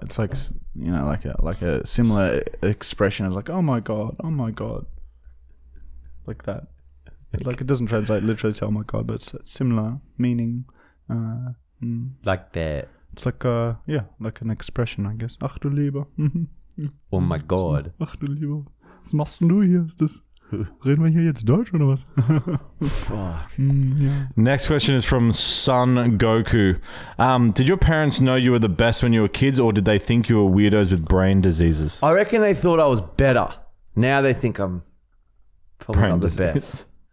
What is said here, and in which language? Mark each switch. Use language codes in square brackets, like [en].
[en] It's like, you know, like a similar expression. It's like, oh, my God. Oh, my God. Like that. Like, it doesn't translate literally to, oh, my God, but it's similar meaning. Like that. It's like, yeah, like an expression, I guess. [de] Achtelieben. [en] Oh, my God. [de] Achtelieben. Was machst du hier? Ist das, reden wir hier jetzt Deutsch oder was? [en] Fuck. Next question is from Son Goku. Did your parents know you were the best when you were kids, or did they think you were weirdos with brain diseases? I reckon they thought I was better. Now they think I'm probably not the best.